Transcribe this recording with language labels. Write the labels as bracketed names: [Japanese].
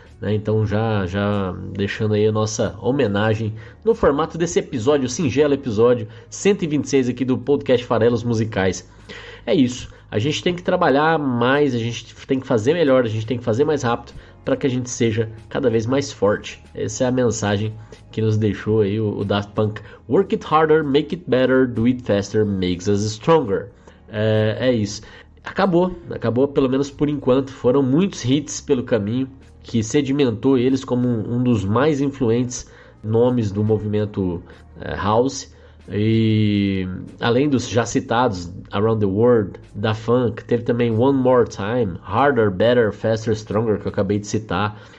[Portuguese] Então já deixando aí a nossa homenagem no formato desse episódio, singelo episódio 126 aqui do podcast Farelos Musicais. É isso, a gente tem que trabalhar mais, a gente tem que fazer melhor, a gente tem que fazer mais rápido para que a gente seja cada vez mais forte. Essa é a mensagem que nos deixou aí o Daft Punk. [English] Work it harder, make it better, do it faster, makes us stronger. [Portuguese] É isso, acabou pelo menos por enquanto, foram muitos hits pelo caminho, que sedimentou eles como um dos mais influentes nomes do movimento house. E além dos já citados Around the World, da Funk, teve também One More Time, Harder, Better, Faster, Stronger, que eu acabei de citar.